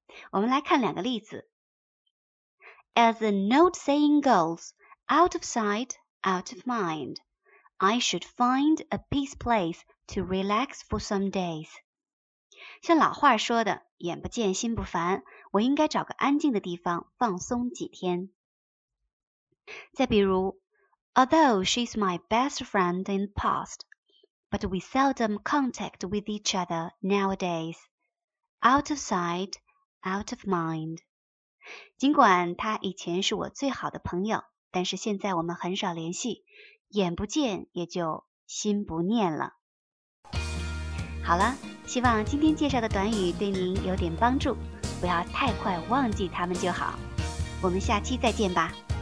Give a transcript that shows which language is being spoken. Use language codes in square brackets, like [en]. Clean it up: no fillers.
[zh] 我们来看两个例子。 [en] As the note saying goes, out of sight, out of mindI should find a peace place to relax for some days. [zh] 像老话说的，眼不见心不烦，我应该找个安静的地方放松几天。再比如， [en] Although she's my best friend in the past, but we seldom contact with each other nowadays. Out of sight, out of mind. [zh] 尽管她以前是我最好的朋友，但是现在我们很少联系，眼不见也就心不念了。好了，希望今天介绍的短语对您有点帮助，不要太快忘记它们就好。我们下期再见吧。